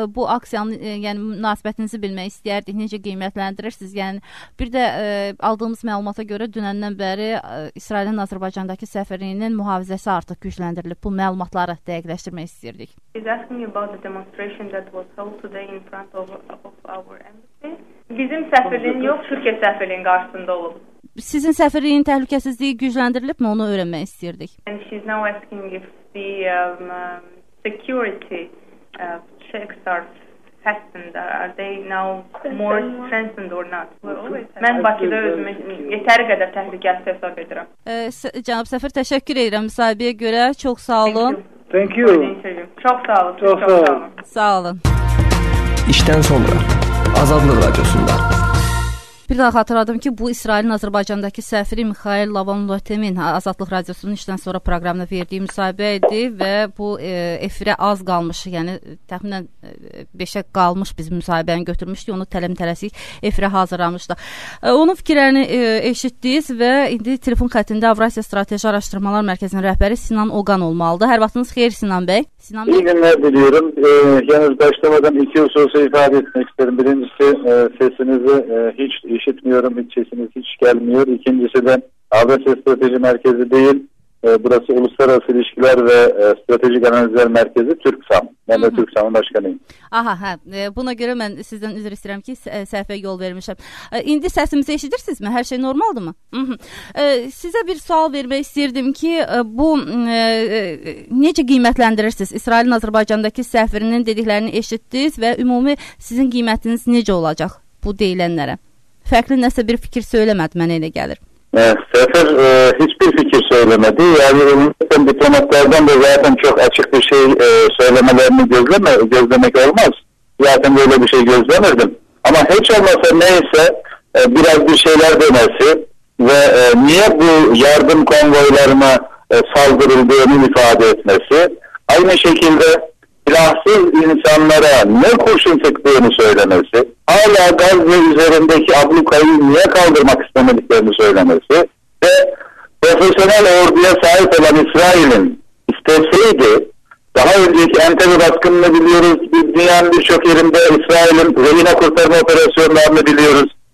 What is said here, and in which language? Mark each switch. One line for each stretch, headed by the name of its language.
Azerbaijani: Bu aksiyanın yəni münasibətinizi bilmək istəyərdik. Necə qiymətləndirirsiniz? Yəni bir də aldığımız məlumata görə dünəndən bəri İsrailin Azərbaycandakı səfirliyinin mühafizəsi artıq gücləndirilib. Bu məlumatları dəqiqləşdirmək istəyirdik.
English: He's asking about the demonstration that was held today in front of our embassy.
Azerbaijani: Bizim səfirliyin yox, Türkiyə səfirliyinin qarşısında olub. Sizin səfirliyin təhlükəsizliyi gücləndirilib mi? Onu öyrənmək istəyirdik.
English: And she's now asking if the security checks are fastened. Are they now more strengthened or not?
Azerbaijani: Mən Bakıda özümü yetəri qədər təhlükəsiz hesab edirəm. Cənab səfir, təşəkkür edirəm müsahibəyə görə. Çox sağ olun.
English: Thank you.
Azerbaijani: Çox sağ olun. Çox sağ olun. Sağ olun. İşdən sonra Azadlıq Radiosunda. Bir daha xatırladım ki, bu İsrailin Azərbaycandakı səfiri Mixail Lavon-Lotemin Azadlıq Radiosunun işdən sonra proqramına verdiyi müsahibə idi və bu efirə az qalmış, yəni təxminən 5-ə qalmış biz müsahibəni götürmüşdü, onu tələsik efirə hazırlamışdı. Onun fikirlərini eşitdiyiz və indi telefon xəttində Avrasiya Strateji Araşdırmalar Mərkəzinin rəhbəri Sinan Oğan olmalıdır. Hər vaxtınız xeyir, Sinan bəy. Sinan
Turkish: bəy. İyi günlər diliyorum. Yalnız başlamadan iki hususu ifadə etmek istedim. Birincisi sesinizi hiç işitmiyorum, hiç sesiniz hiç gelmiyor. İkincisi de Avrasya Strateji Merkezi değil, burası Uluslararası İlişkiler ve Stratejik Analizler Merkezi TÜRKSAM. Ben de TÜRKSAM'ın başkanıyım. Aha, buna göre ben sizden özür istedim ki sefe yol vermişim. İndi sesimizi işitirsiniz mi? Her şey normaldı mı? Size bir sual vermek istedim ki
Azerbaijani: bu necə qiymətləndirirsiniz?
Turkish: İsrail'in Azerbaycan'daki səfirinin dediklerini işittiniz ve ümumi sizin qiymətiniz necə olacak bu deyilənlere?
Azerbaijani: Fərqli nəsə bir fikir söyləmədi, mənə elə gəlir. Səfər heç bir fikir söyləmədi. Yəni, ümumiyyətən diplomatlardan da zaten çox açıq bir şey söyləmələrini gözləmək olmaz.
Turkish: Zaten böyle bir şey gözləmirdim.
Azerbaijani: Amma heç olmasa neysə biraz bir şeyler deməsi və niyə bu yardım konvoylarına
Turkish: saldırıldığını ifade etmesi, aynı şekilde silahsız insanlara ne kurşun tıktığını söylemesi, hala Gazze üzerindeki ablukayı niye kaldırmak istemediklerini söylemesi ve profesyonel orduya sahip olan İsrail'in isteseydi, daha önceki Entebbe baskınını biliyoruz, dünyanın birçok yerinde İsrail'in Rehine kurtarma operasyonlarını biliyoruz.